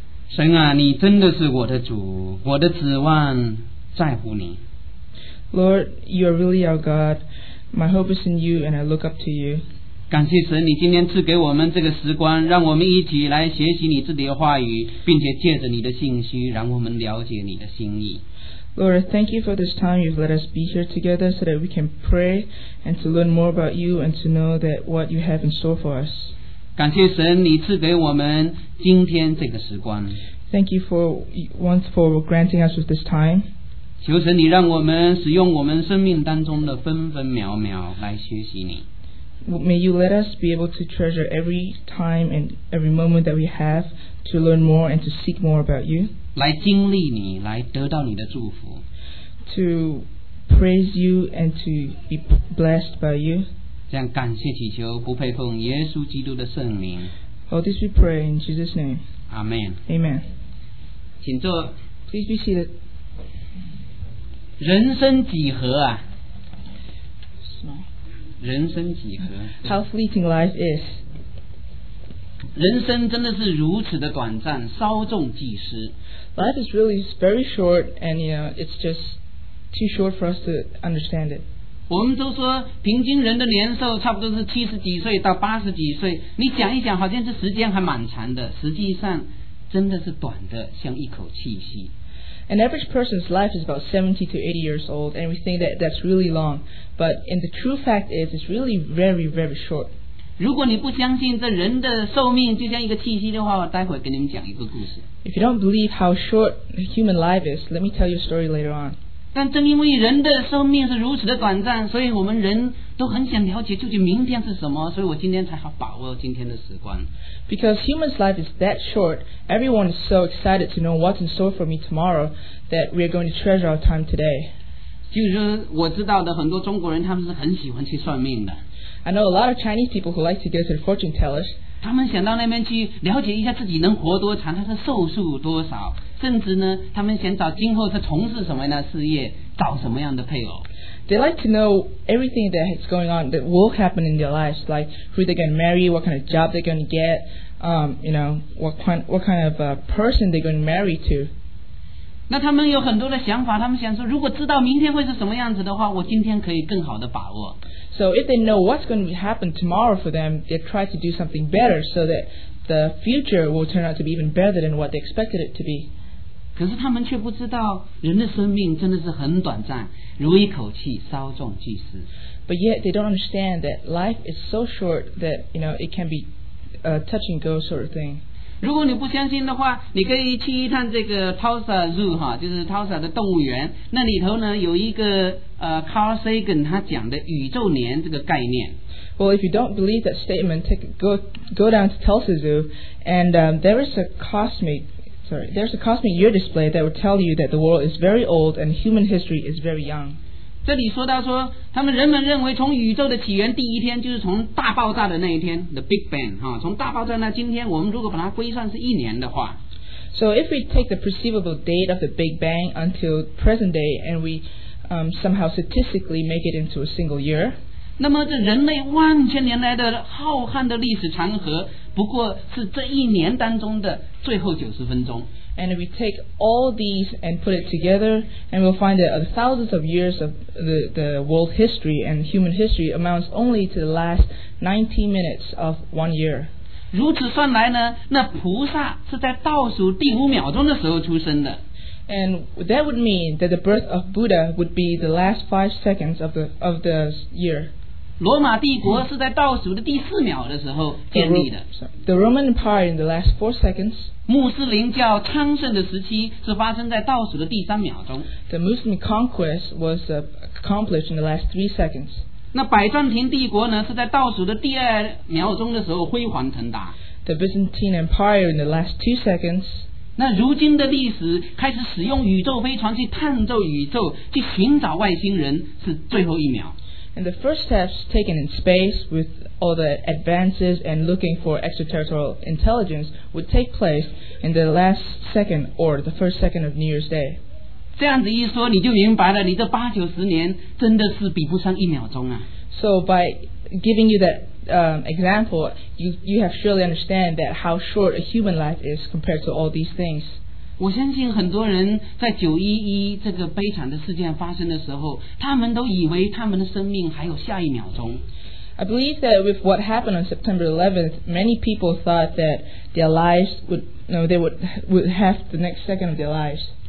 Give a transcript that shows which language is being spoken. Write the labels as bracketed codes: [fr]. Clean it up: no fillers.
[zh] 神啊，你真的是我的主，我的指望在乎你。 [en] Lord, you are really our God. My hope is in you, and I look up to you. [zh] 感谢神，你今天赐给我们这个时光，让我们一起来学习你自己的话语，并且借着你的信息让我们了解你的心意。 [en] Lord, thank you for this time you've let us be here together so that we can pray and to learn more about you and to know that what you have in store for us. [zh] 感谢神，你赐给我们今天这个时光。 [en] Thank you for once for granting us with this time. [zh] 求神你让我们使用我们生命当中的分分秒秒来学习你。 [en] May you let us be able to treasure every time and every moment that we have to learn more and to seek more about you. [zh] 来经历你，来得到你的祝福。 [en] To praise you and to be blessed by you. [zh] 这样感谢祈求，不配奉耶稣基督的圣名。 [en] All this we pray in Jesus' name. Amen. Amen. [zh] 请坐。 [en] Please be seated. [zh] 人生几何啊？人生几何？ [en] How fleeting life is. [zh] 人生真的是如此的短暂，稍纵即逝。 [en] Life is really very short and you know, it's just too short for us to understand it. [zh] 我们都说平均人的年寿差不多是七十几岁到八十几岁，你想一想好像这时间还蛮长的，实际上真的是短的像一口气息。 [en] An average person's life is about 70 to 80 years old, and we think that that's really long. But in the true fact is, it's really very, very short. [zh] 如果你不相信这人的寿命就像一个气息的话，我待会跟你们讲一个故事。 [en] If you don't believe how short human life is, let me tell you a story later on. [zh] 但正因为人的寿命是如此的短暂，所以我们人都很想了解究竟明天是什么，所以我今天才好把握今天的时光。 [en] Because human's life is that short, everyone is so excited to know what's in store for me tomorrow that we are going to treasure our time today. [zh] 就是我知道的很多中国人他们是很喜欢去算命的。 [en] I know a lot of Chinese people who like to go to the fortune tellers. [zh] 他们想到那边去了解一下自己能活多长，他的寿数多少，甚至呢，他们想找今后是从事什么样的事业，找什么样的配偶。 [en] They like to know everything that is going on that will happen in their lives, like who they're going to marry, what kind of job they're going to get, you know, what kind of person they're going to marry to. [zh] 那他们有很多的想法，他们想说，如果知道明天会是什么样子的话，我今天可以更好的把握。 [en] So if they know what's going to happen tomorrow for them, they try to do something better so that the future will turn out to be even better than what they expected it to be. [zh] 可是他们却不知道人的生命真的是很短暂，如一口气稍纵即逝。 [en] But yet they don't understand that life is so short that you know, it can be touch and go sort of thing. [zh] 如果你不相信的话，你可以去一趟这个 Tulsa Zoo 哈，就是 Tulsa 的动物园。那里头呢有一个Carl Sagan 他讲的宇宙年这个概念。 [en] Well, if you don't believe that statement, go down to Tulsa Zoo, and there's a cosmic year display that will tell you that the world is very old and human history is very young. [zh] 这里说到说，他们人们认为从宇宙的起源第一天就是从大爆炸的那一天 ， [en] the Big Bang [zh] 哈，从大爆炸那今天，我们如果把它归算是一年的话。 [en] So if we take the perceivable date of the Big Bang until present day, and we somehow statistically make it into a single year. [zh] 那么这人类万千年来的浩瀚的历史长河不过是这一年当中的最后90分钟 [en] and if we take all these and put it together and we'll find that thousands of years of the world history and human history amounts only to the last 19 minutes of one year [zh] 如此算来呢那菩萨是在倒数第五秒钟的时候出生的 [en] And that would mean that the birth of Buddha would be the last 5 seconds of the year. [zh] 罗马帝国是在倒数的第四秒的时候建立的。 [en] The Roman Empire in the last 4 seconds. [zh] 穆斯林教昌盛的时期是发生在倒数的第三秒钟。 [en] The Muslim conquest was accomplished in the last 3 seconds. [zh] 那百丈亭帝国呢是在倒数的第二秒钟的时候辉煌腾达。 [en] The Byzantine Empire in the last 2 seconds. [zh] 那如今的历史开始使用宇宙飞船去探究宇宙去寻找外星人是最后一秒 [en] and the first steps taken in space with all the advances and looking for extraterrestrial intelligence would take place in the last second or the first second of New Year's Day [zh] 这样子一说你就明白了你这八九十年真的是比不上一秒钟啊 [en] so by giving you thatexample, you have surely understand that how short a human life is compared to all these things. [zh] 我相信很多人在911这个悲惨的事件发生的时候，他们都以为他们的生命还有下一秒钟。 [en] I believe that with what happened on September 11th, many people thought that their lives would have the next second of their lives.